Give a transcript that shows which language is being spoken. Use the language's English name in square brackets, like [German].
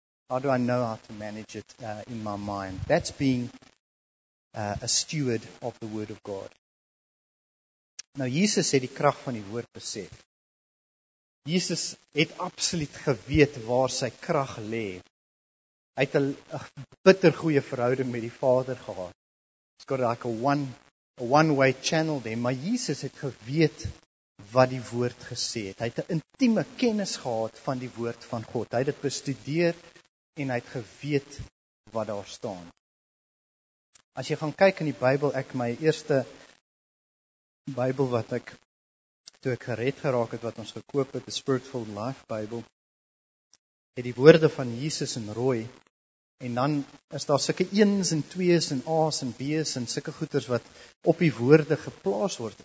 [English] How do I know how to manage it in my mind? That's being a steward of the word of God. [Afrikaans] Nou, Jesus het die krag van die woord besef. Jesus het absoluut geweet waar sy krag lê. Hy het 'n bitter goeie verhouding met die Vader gehad. [English] It's got like a one-way channel there. [Afrikaans] Maar Jesus het geweet wat die woord gesê het. Hy het 'n intieme kennis gehad van die woord van God. Hy het dit bestudeer en hy het geweet wat daar staan. As jy gaan kyk in die Bybel, ek my eerste Bybel wat ek toe ek gered geraak het, wat ons gekoop het, die Spiritual Life Bybel, het die woorde van Jesus in rooi, en dan is daar sulke eens en twees en a's en b's en sulke goeders wat op die woorde geplaas word.